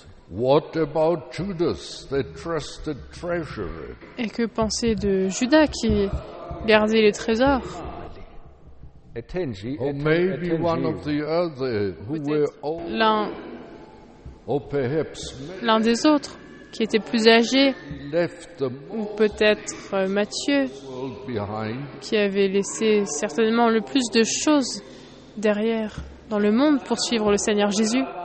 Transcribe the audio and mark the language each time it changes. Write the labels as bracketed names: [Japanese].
[English] What about Judas, the trusted treasurer? [French] Et que penser de Judas qui gardait les trésors? [English] Or maybe one of the other who were old. [French] L'un. [English] Or perhaps. [French] L'un des autres qui était plus âgé. Ou peut-être Matthieu qui avait laissé certainement le plus de choses derrière. Dans le monde pour suivre le Seigneur Jésus.